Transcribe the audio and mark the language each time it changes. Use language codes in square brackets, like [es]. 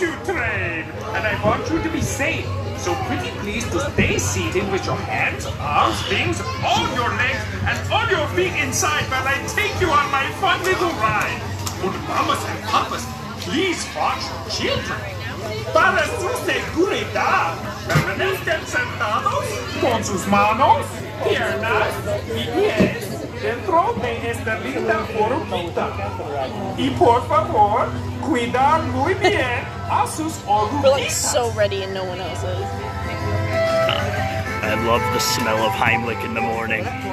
[en] And I want you to be safe. So pretty please to stay seated with your hands, arms, things, on your legs, and on your feet inside while I take you on my fun little ride. Would mamas and papas please watch your children? [es] Para sus seguridad, permanezcan sentados con sus manos, piernas y pies dentro de esta linda oruguita. Y por favor, cuidar muy bien. [en] We're like so ready and no one else is. I love the smell of Heimlich in the morning.